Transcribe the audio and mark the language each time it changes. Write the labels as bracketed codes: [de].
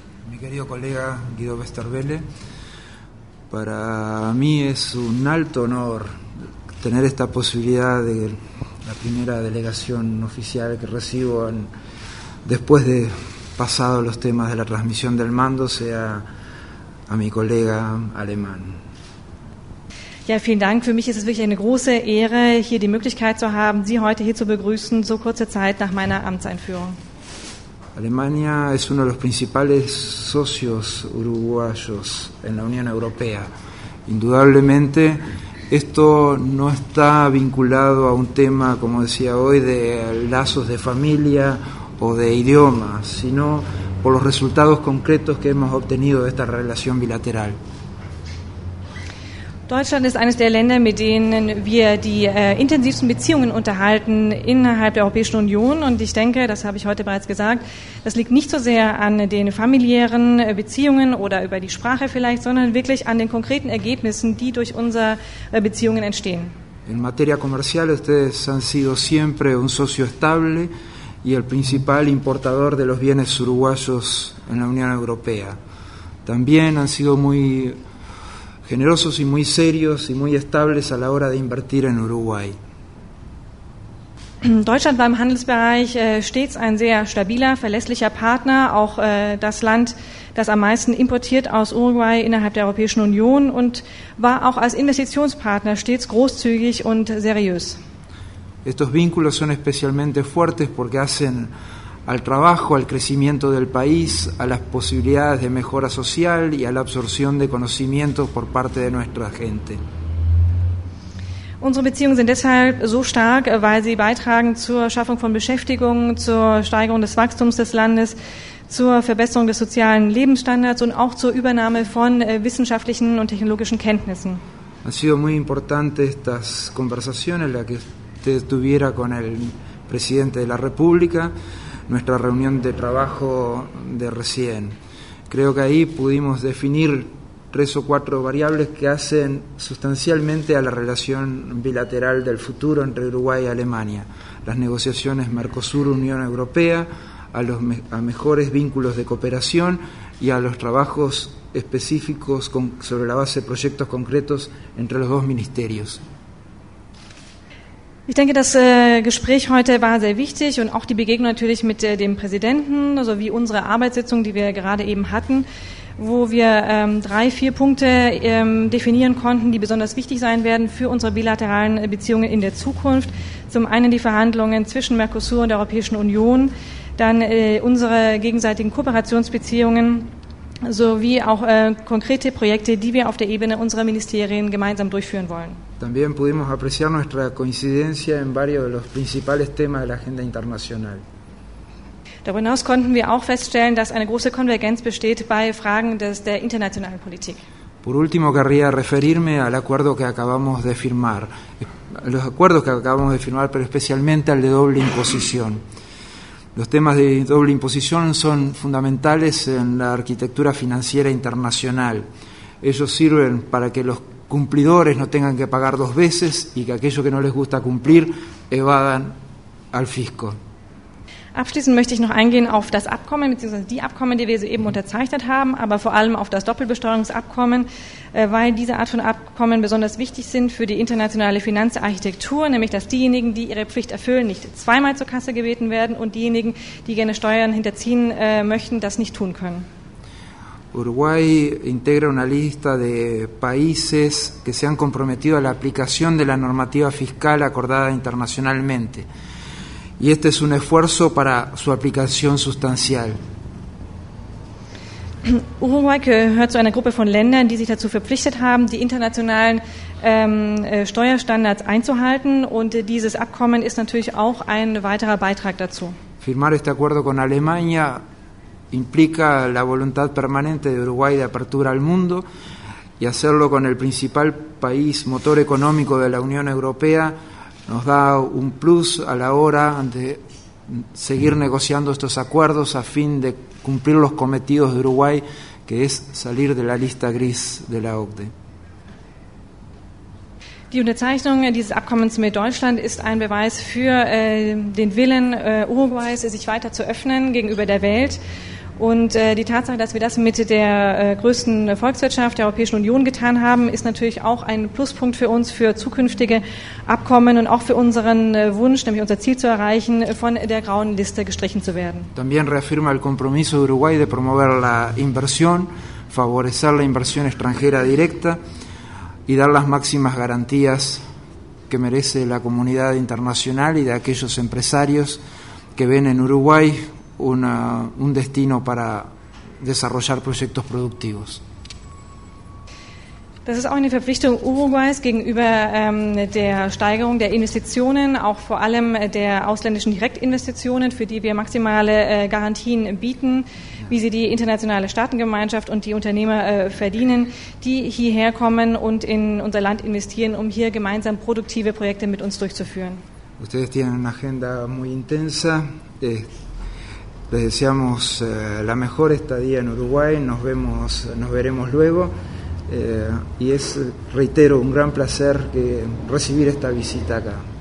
[es] Mi querido colega Guido Westerwelle, para mí es un alto honor tener esta posibilidad de la primera delegación oficial que recibo después de pasado los temas de la transmisión del mando, sea a mi colega alemán. [de] Ja, vielen Dank. Für mich ist es wirklich eine große Ehre, hier die Möglichkeit zu haben, Sie heute hier zu begrüßen, so kurze Zeit nach meiner Amtseinführung. [es] Alemania es uno de los principales socios uruguayos en la Unión Europea. Indudablemente, esto no está vinculado a un tema, como decía hoy, de lazos de familia o de idioma, sino por los resultados concretos que hemos obtenido de esta relación bilateral. [de] Deutschland ist eines der Länder, mit denen wir die intensivsten Beziehungen unterhalten innerhalb der Europäischen Union. Und ich denke, das habe ich heute bereits gesagt, das liegt nicht so sehr an den familiären Beziehungen oder über die Sprache vielleicht, sondern wirklich an den konkreten Ergebnissen, die durch unsere Beziehungen entstehen. [es] In materia comercial, ustedes han sido siempre un socio estable y el principal importador de los bienes uruguayos en la Unión Europea. También han sido muy generosos y muy serios y muy estables a la hora de invertir en Uruguay. [de] Deutschland war im Handelsbereich stets ein sehr stabiler, verlässlicher Partner, auch das Land, das am meisten importiert aus Uruguay innerhalb der Europäischen Union und war auch als Investitionspartner stets großzügig und seriös. [es] Estos vínculos son especialmente fuertes porque hacen al trabajo, al crecimiento del país, a las posibilidades de mejora social y a la absorción de conocimientos por parte de nuestra gente. [de] Unsere Beziehungen sind deshalb so stark, weil sie beitragen zur Schaffung von Beschäftigung, zur Steigerung des Wachstums des Landes, zur Verbesserung des sozialen Lebensstandards und auch zur Übernahme von wissenschaftlichen und technologischen Kenntnissen. [es] Han sido muy importantes estas conversaciones la que usted tuviera con el presidente de la República, nuestra reunión de trabajo de recién. Creo que ahí pudimos definir tres o cuatro variables que hacen sustancialmente a la relación bilateral del futuro entre Uruguay y Alemania, las negociaciones Mercosur-Unión Europea, a mejores vínculos de cooperación y a los trabajos específicos sobre la base de proyectos concretos entre los dos ministerios. [de] Ich denke, das Gespräch heute war sehr wichtig und auch die Begegnung natürlich mit dem Präsidenten, also wie unsere Arbeitssitzung, die wir gerade eben hatten, wo wir drei, vier Punkte definieren konnten, die besonders wichtig sein werden für unsere bilateralen Beziehungen in der Zukunft. Zum einen die Verhandlungen zwischen Mercosur und der Europäischen Union, dann unsere gegenseitigen Kooperationsbeziehungen sowie auch konkrete Projekte, die wir auf der Ebene unserer Ministerien gemeinsam durchführen wollen. [es] También pudimos apreciar nuestra coincidencia en varios de los principales temas de la agenda internacional. [de] Darüber hinaus konnten wir auch feststellen, dass eine große Konvergenz besteht bei Fragen der internationalen Politik. [es] Por último, querría referirme al acuerdo que acabamos de firmar, los acuerdos que acabamos de firmar, pero especialmente al de doble imposición. Los temas de doble imposición son fundamentales en la arquitectura financiera internacional. Ellos sirven para que los cumplidores no tengan que pagar dos veces y que aquellos que no les gusta cumplir evadan al fisco. [de] Abschließend möchte ich noch eingehen auf das Abkommen bzw. die Abkommen, die wir soeben unterzeichnet haben, aber vor allem auf das Doppelbesteuerungsabkommen, weil diese Art von Abkommen besonders wichtig sind für die internationale Finanzarchitektur, nämlich dass diejenigen, die ihre Pflicht erfüllen, nicht zweimal zur Kasse gebeten werden und diejenigen, die gerne Steuern hinterziehen möchten, das nicht tun können. [es] Uruguay integra una lista de países que se han comprometido a la aplicación de la normativa fiscal acordada internacionalmente. Y este es un esfuerzo para su aplicación sustancial. [de] Uruguay gehört zu einer Gruppe von Ländern, die sich dazu verpflichtet haben, die internationalen Steuerstandards einzuhalten. Und dieses Abkommen ist natürlich auch ein weiterer Beitrag dazu. [es] Firmar este acuerdo con Alemania implica la voluntad permanente de Uruguay de apertura al mundo y hacerlo con el principal país motor económico de la Unión Europea nos da un plus a la hora de seguir negociando estos acuerdos a fin de cumplir los cometidos de Uruguay, que es salir de la lista gris de la OCDE. [de] Die Unterzeichnung dieses Abkommens mit Deutschland ist ein Beweis für den Willen Uruguays, sich weiter zu öffnen gegenüber der Welt. Und die Tatsache, dass wir das mit der größten Volkswirtschaft der Europäischen Union getan haben, ist natürlich auch ein Pluspunkt für uns für zukünftige Abkommen und auch für unseren Wunsch, nämlich unser Ziel zu erreichen, von der grauen Liste gestrichen zu werden. [es] También reafirma el compromiso de Uruguay de promover la inversión, favorecer la inversión extranjera directa y dar las máximas garantías que merece la comunidad internacional y de aquellos empresarios que ven en Uruguay un destino para desarrollar proyectos productivos. [de] Das ist auch eine Verpflichtung Uruguays gegenüber der Steigerung der Investitionen, auch vor allem der ausländischen Direktinvestitionen, für die wir maximale Garantien bieten, wie sie die internationale Staatengemeinschaft und die Unternehmer verdienen, die hierher kommen und in unser Land investieren, um hier gemeinsam produktive Projekte mit uns durchzuführen. [es] Ustedes tienen una agenda muy intensa. Les deseamos la mejor estadía en Uruguay. Nos veremos luego. Y es, reitero, un gran placer recibir esta visita acá.